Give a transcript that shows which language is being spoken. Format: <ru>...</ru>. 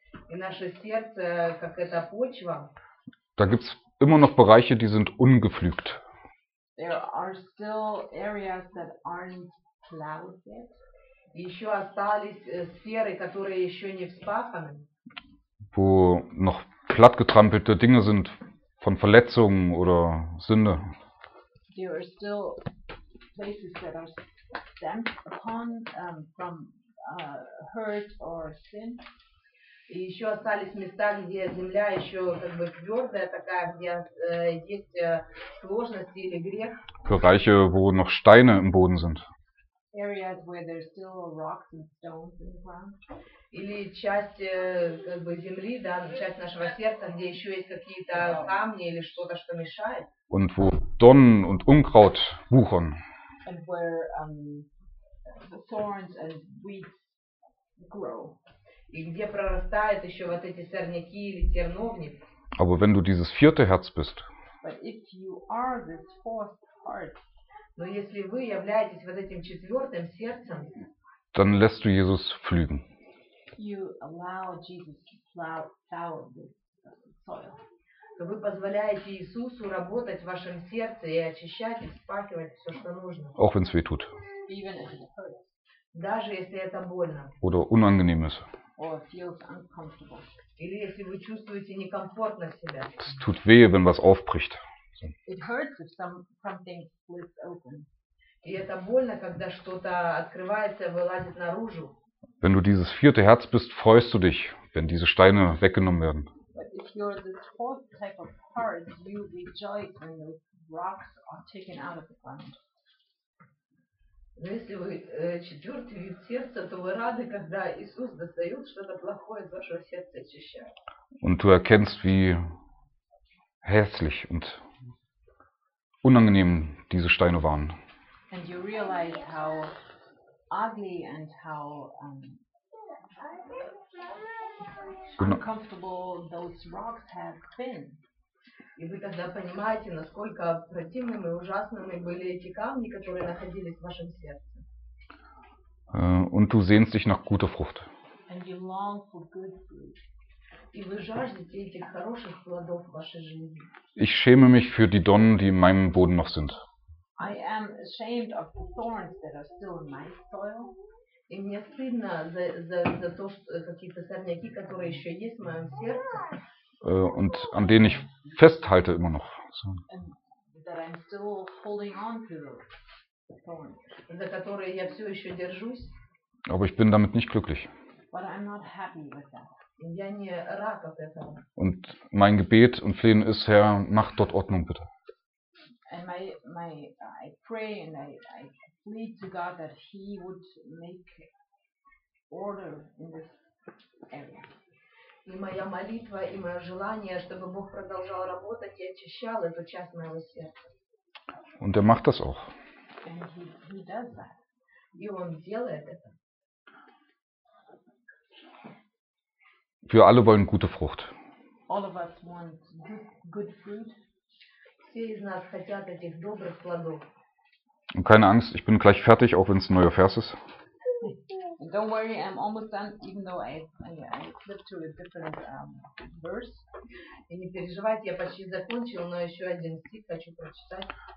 <en>In</en> <ru>наше сердце, как эта почва.</ru> <de>Da gibt's immer noch Bereiche, die sind ungepflügt.</de> <en>There are still areas that aren't plowed yet.</en> <ru>Еще остались сферы, которые еще не вспаханы.</ru> <de>Wo noch plattgetrampelte Dinge sind von Verletzungen oder Sünde.</de> <en>There are still places that are stamped upon from hurt or sin.</en> <ru>И еще остались места, где земля еще как бы твердая такая, где есть сложности или грех.</ru> <de>Bereiche, wo noch Steine im Boden sind.</de> <en>Areas where there's still rocks and stones in the ground.</en> <ru>Или часть как бы земли, да, часть нашего сердца, где еще есть какие-то камни или что-то, что мешает.</ru> <de>Und wo Dornen und Unkraut wuchern.</de> <en>And where the thorns and weeds grow.</en> <ru>И где прорастают еще вот эти сорняки или терновник.</ru> <de>Aber wenn du dieses vierte Herz bist.</de> <en>But if you are this fourth heart.</en> <ru>Но если вы являетесь вот этим четвертым сердцем.</ru> <de>Dann lässt du Jesus pflügen.</de> <en>You allow Jesus to plow the soil.</en> <ru>То вы позволяете Иисусу работать в вашем сердце и очищать, и вспахивать все, что нужно.</ru> <de>Auch wenn es weh tut.</de> <en>Even if it hurts.</en> <ru>Даже если это больно.</ru> <de>Oder unangenehm ist.</de> <en>Or feels uncomfortable.</en> <ru>Или если вы чувствуете некомфортно себя.</ru> <de>Es tut weh, wenn was aufbricht.</de> <en>It hurts if something splits open.</en> <ru>И это больно, когда что-то открывается, вылазит наружу.</ru> <de>Wenn du dieses vierte Herz bist, freust du dich, wenn diese Steine weggenommen werden.</de> <en>But if you're this fourth type of heart, you rejoice when those rocks are taken out of the ground.</en> <ru>Но если вы четвертый вид сердца, то вы рады, когда Иисус достает что-то плохое из вашего сердца очищает.</ru> <de>Und du erkennst, wie hässlich und unangenehm diese Steine waren.</de> <en>And you realize how ugly and how uncomfortable those rocks have been.</en> <ru>И вы тогда понимаете, насколько противными и ужасными были эти камни, которые находились в вашем сердце.</ru> <de>Und du sehnst dich nach guter Frucht.</de> <en>And you long for good fruit.</en> <ru>И вы жаждете этих хороших плодов в вашей жизни.</ru> <de>Ich schäme mich für die Dornen, die in meinem Boden noch sind.</de> <en>I am ashamed of the thorns that are still in my soil.</en> <ru>И мне стыдно за то, что какие-то сорняки, которые еще есть в моем сердце.</ru> <de>Und an denen ich festhalte immer noch. So.</de> <en>That I'm still holding on to the thorns,</en> <ru>за которые я все еще держусь.</ru> <de>Aber ich bin damit nicht glücklich.</de> <en>But I'm not happy with that.</en> <ru>Я не рад от этого.</ru> <de>Und mein Gebet und Flehen ist, Herr, mach dort Ordnung, bitte.</de> <en>And my I pray and I plead to God that he would make order in this area.</en> <ru>И моя молитва и мое желание, чтобы Бог продолжал работать и очищал эту часть моего сердца.</ru> <de>Und macht das auch.</de> <en>And he does that.</en> <ru>И он делает это.</ru> <de>Wir alle wollen gute Frucht.</de> <en>All of us want good fruit.</en> <ru>Все из нас хотят этих добрых плодов.</ru> <de>Und keine Angst, ich bin gleich fertig, auch wenn es ein neuer Vers ist.</de> <en>Don't worry, I'm almost done, even though I flipped to a different verse.</en> <ru>И не переживайте, я почти закончил, но еще один стих хочу прочитать.</ru>